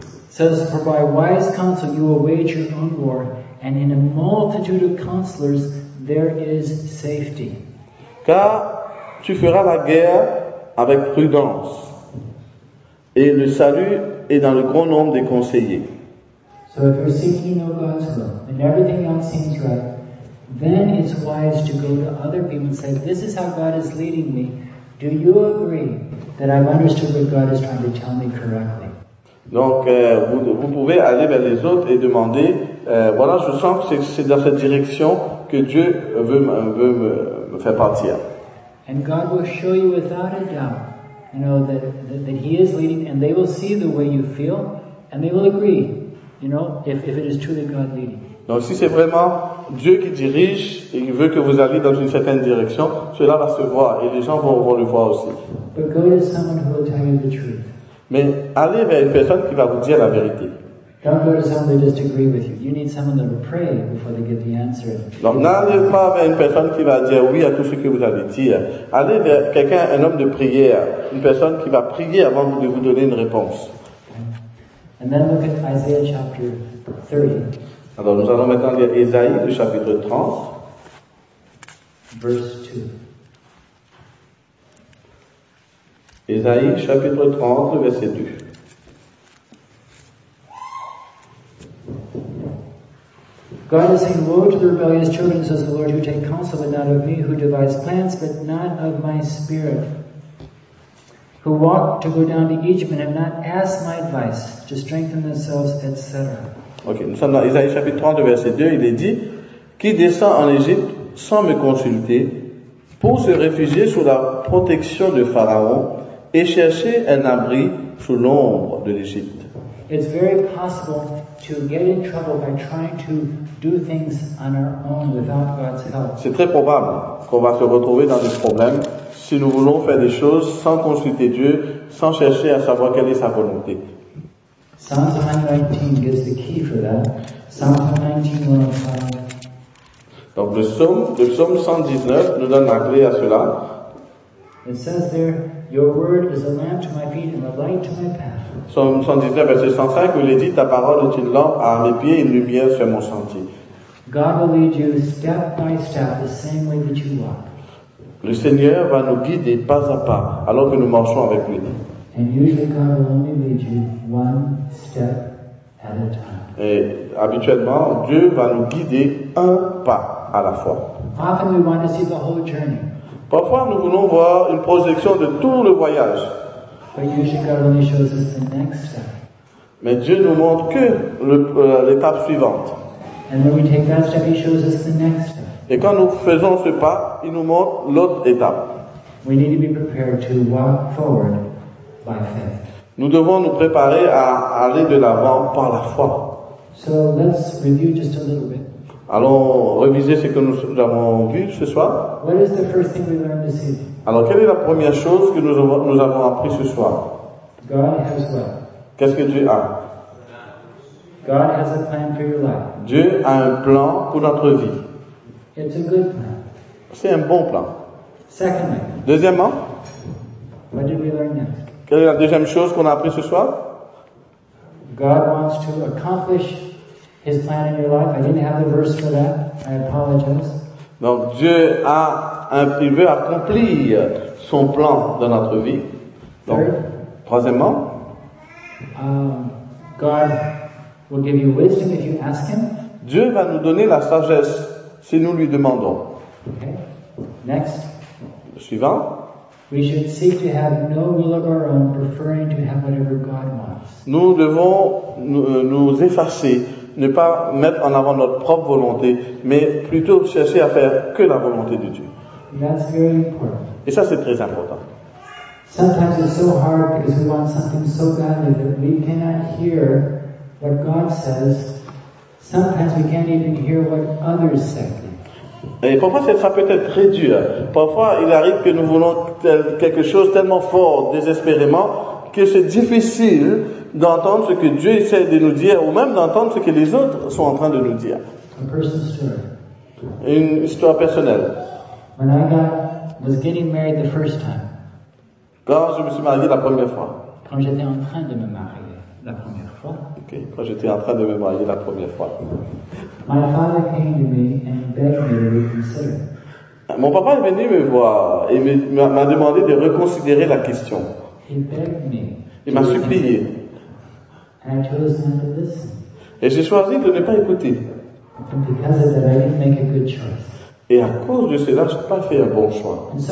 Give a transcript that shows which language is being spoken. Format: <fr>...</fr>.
<en>Says, for by wise counsel you will wage your own war, and in a multitude of counselors there is safety.</en> <fr>Car tu feras la guerre avec prudence, et le salut est dans le grand nombre des conseillers.</fr> <en>So if you're seeking to know God's will and everything else seems right, then it's wise to go to other people and say, this is how God is leading me. Do you agree that I've understood what God is trying to tell me correctly?</en> <fr>Donc, vous pouvez aller vers les autres et demander, voilà, je sens que c'est dans cette direction que Dieu veut me faire partir.</fr> <en>And God will show you without a doubt, you know, that he is leading, and they will see the way you feel, and they will agree, you know, if it is truly God leading.</en> <fr>Donc, si c'est vraiment Dieu qui dirige et qui veut que vous alliez dans une certaine direction, cela va se voir, et les gens vont le voir aussi.</fr> <en>But go to someone who will tell you the truth.</en> <fr>Mais allez vers une personne qui va vous dire la vérité.</fr> <en>Don't go to someone who disagrees with you. You need someone that will pray before they give the answer.</en> <fr>Donc n'allez pas vers une personne qui va dire oui à tout ce que vous allez dire. Allez vers quelqu'un, un homme de prière, une personne qui va prier avant de vous donner une réponse.</fr> <en>Okay. And then look at Isaiah chapter 30.</en> <fr>Alors nous allons maintenant lire Ésaïe le chapitre 30,</fr> <en>verse 2.</en> <fr>Ésaïe, chapitre 30, verset 2.</fr> <en>God is saying, woe to the rebellious children, says the Lord, who take counsel, but not of me, who devise plans, but not of my spirit, who walked to go down to Egypt and have not asked my advice to strengthen themselves, etc.</en> <fr>Ok, nous sommes dans Isaïe chapitre 30, verset 2, il est dit, qui descend en Égypte sans me consulter pour se réfugier sous la protection de Pharaon et chercher un abri sous l'ombre de l'Égypte.</fr> <en>It's very possible to get in trouble by trying to do things on our own without God's help.</en> <fr>C'est très probable qu'on va se retrouver dans des problèmes si nous voulons faire des choses sans consulter Dieu, sans chercher à savoir quelle est sa volonté.</fr> <en>Psalms 119 gives the key for that. Psalms 119:105.</en> <fr>Donc le psaume 119 nous donne la clé à cela.</fr> <en>It says there, your word is a lamp to my feet and a light to my path.</en> <fr>Psaume 119, verset 105, où il est dit, ta parole est une lampe à mes pieds et une lumière sur mon sentier.</fr> <en>God will lead you step by step, the same way that you walk.</en> <fr>Le Seigneur va nous guider pas à pas, alors que nous marchons avec lui.</fr> <en>And usually God will only lead you one step at a time.</en> <fr>Et habituellement, Dieu va nous guider un pas à la fois.</fr> <en>Often we want to see the whole journey.</en> <fr>Parfois, nous voulons voir une projection de tout le voyage.</fr> <en>But usually God only shows us the next step.</en> <fr>Mais Dieu nous montre que l'étape suivante.</fr> <en>And when we take that step, he shows us the next step.</en> <fr>Et quand nous faisons ce pas, il nous montre l'autre étape.</fr> <en>We need to be prepared to walk forward by faith.</en> <fr>Nous devons nous préparer à aller de l'avant par la foi.</fr> <en>So let's review just a little bit.</en> <fr>Allons réviser ce que nous avons vu ce soir.</fr> <en>What is the first thing we learned this evening?</en> <fr>Alors, quelle est la première chose que nous avons appris ce soir?</fr> <en>God has what?</en> <fr>Qu'est-ce que Dieu a?</fr> <en>God has a plan for your life.</en> <fr>Dieu a un plan pour notre vie.</fr> <en>It's a good plan.</en> <fr>C'est un bon plan.</fr> <en>Secondly.</en> <fr>Deuxièmement.</fr> <en>What did we learn next?</en> <fr>Quelle est la deuxième chose qu'on a appris ce soir?</fr> <en>God wants to accomplish his plan in your life. I didn't have the verse for that. I apologize.</en> <fr>Donc, Dieu a il veut accomplir son plan dans notre vie. Donc, troisièmement,</fr> <en>God will give you wisdom if you ask him.</en> <fr>Dieu va nous donner la sagesse si nous lui demandons.</fr> <en>Okay. Next.</en> <fr>Le suivant.</fr> <en>We should seek to have no will of our own, preferring to have whatever God wants.</en> <fr>Nous devons nous effacer, ne pas mettre en avant notre propre volonté, mais plutôt chercher à faire que la volonté de Dieu.</fr> <en>That's very important.</en> <fr>Et ça, c'est très important.</fr> <en>Sometimes it's so hard because we want something so badly that we cannot hear what God says. Sometimes we can't even hear what others say.</en> <fr>Et parfois, ça peut être très dur. Parfois, il arrive que nous voulons quelque chose tellement fort, désespérément, que c'est difficile d'entendre ce que Dieu essaie de nous dire ou même d'entendre ce que les autres sont en train de nous dire.</fr> <en>A personal story.</en> <fr>Une histoire personnelle.</fr> <en>When I was getting married the first time.</en> <fr>Quand je me suis marié la première fois. Quand j'étais en train de me marier la première fois.</fr> <en>Okay.</en> <fr>Quand j'étais en train de me marier la première fois.</fr> <en>My father came to me and begged me to reconsider.</en> <fr>Mon papa est venu me voir et m'a demandé de reconsidérer la question.</fr> <en>He begged me.</en> <fr>Il m'a supplié.</fr> <en>And I chose not to listen.</en> <fr>Et j'ai choisi de ne pas écouter.</fr> <en>And because of that, I didn't make a good choice.</en> <fr>Et à cause de cela, je n'ai pas fait un bon choix.</fr>